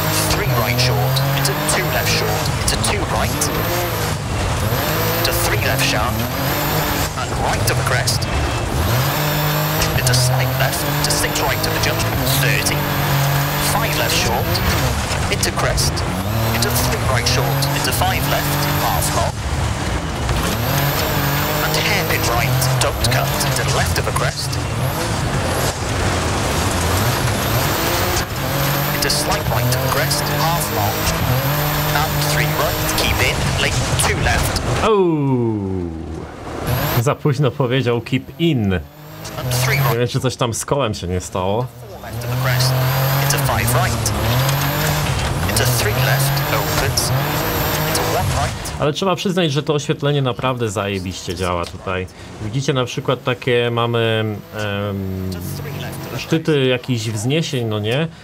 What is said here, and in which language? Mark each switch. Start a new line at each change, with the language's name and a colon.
English: Three right short, into two left short, into two right, into three left sharp, and right of the crest, into slight left, to six right of the jump, 30, five left short, into crest, into three right short, into five left, half long, and hairpin right, don't cut, into left of the crest. To slight right to crest, half long, and three right, keep in, leap two left.
Polish: Oh, za późno powiedział
English: keep in. And three right.
Polish: Nie wiem, czy coś tam z kołem się nie stało.
English: Four left to the crest, into five right, into three left, opens, into one right.
Polish: Ale trzeba przyznać, że to oświetlenie naprawdę zajebiście działa tutaj. Widzicie na przykład takie mamy szczyty jakichś wzniesień, no nie?